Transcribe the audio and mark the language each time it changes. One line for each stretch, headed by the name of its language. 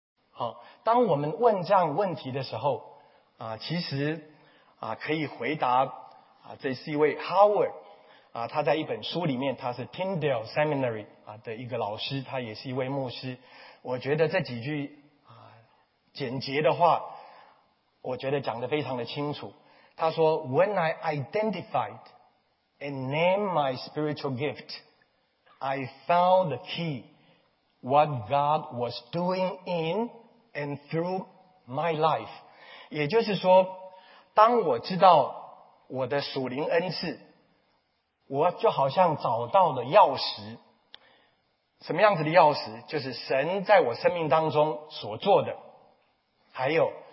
Chinese: 好，当我们问这样问题的时候其实可以回答这是一位 Howard 他在一本书里面，他是 Tyndale Seminary 的一个老师，他也是一位牧师。我觉得这几句简洁的话我觉得讲得非常的清楚。
English: 他说 When I identified and named my spiritual gift, I found the key what God was doing in and through my life.
Chinese: 也就是说当我知道我的属灵恩赐，我就好像找到了钥匙。什么样子的钥匙？就是神在我生命当中所做的，还有